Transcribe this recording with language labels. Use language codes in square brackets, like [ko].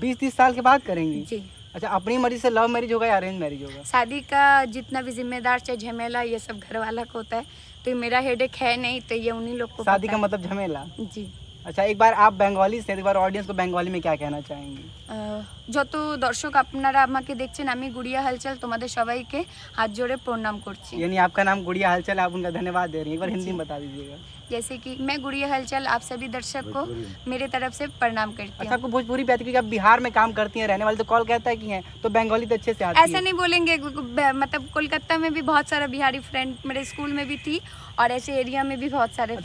[hi] 20-30 साल के बाद करेंगी जी। अच्छा, अपनी मर्जी से लव मैरिज होगा या अरेंज मैरिज होगा? शादी का जितना भी जिम्मेदार, चाहे झमेला, ये सब घर वाला को होता है, तो मेरा हेडेक है नहीं, तो ये उन्हीं लोग को। शादी का मतलब झमेला जी। अच्छा, एक बार आप बंगाली से, एक बार ऑडियंस को बंगाली में क्या कहना चाहेंगी? [bn] যত দর্শক আপনারা আমাকে দেখছেন আমি গুড়িয়া হালচাল তোমাদের সবাইকে হাত জোড়ে প্রণাম করছি। [hi] ইয়ানি [bn] আপনার নাম [hi] গুড়িয়া হালচাল আপ উনকা ধন্যবাদ দে রহে হ্যাঁ এবার হিন্দি বাতা দিজিয়েগা। जैसे कि मैं गुड़िया हलचल आप सभी दर्शक को मेरे तरफ से प्रणाम करती हूँ। आपको भोजपुरी पे आती है क्योंकि आप बिहार में काम करती हैं, रहने वाले तो कॉल कहता है कि हैं, तो बंगाली तो अच्छे से आती है। ऐसा नहीं बोलेंगे, मतलब कोलकाता में भी बहुत सारा बिहारी फ्रेंड मेरे स्कूल में भी थी और ऐसे एरिया में भी बहुत सारे।